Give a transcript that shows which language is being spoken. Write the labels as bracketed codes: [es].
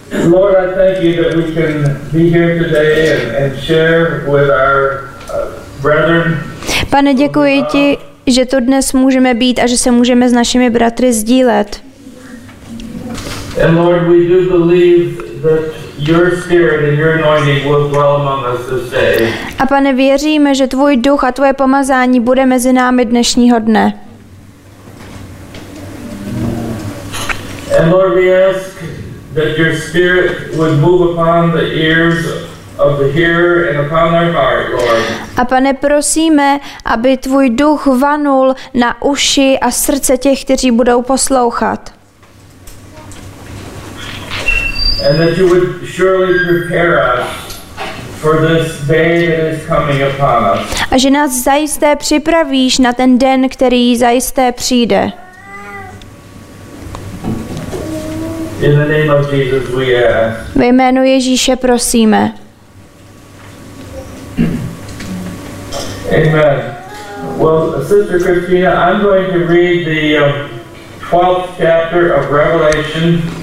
[en] Lord, I thank you that we can be here today and share with our brethren. [cs] Pane, děkuji ti, že tu dnes můžeme být a že se můžeme s našimi bratry sdílet. [en] And Lord, we do believe that your spirit and your anointing will dwell among us this day. [cs] A Pane, věříme, že tvůj duch a tvoje pomazání bude mezi námi dnešního dne. [en] And Lord, we ask that your spirit would move upon the ears of the hearer and upon their heart, Lord. [cs] A Pane, prosíme, aby tvůj duch vanul na uši a srdce těch, kteří budou poslouchat. [en] And that you would surely prepare us for this day that is coming upon us. [cs] A že nás zajisté připravíš na ten den, který zajisté přijde. [en] In the name of Jesus we ask. [cs] Ve jménu Ježíše prosíme. [en] Amen. Well, Sister Christina, I'm going to read the 12th chapter of Revelation.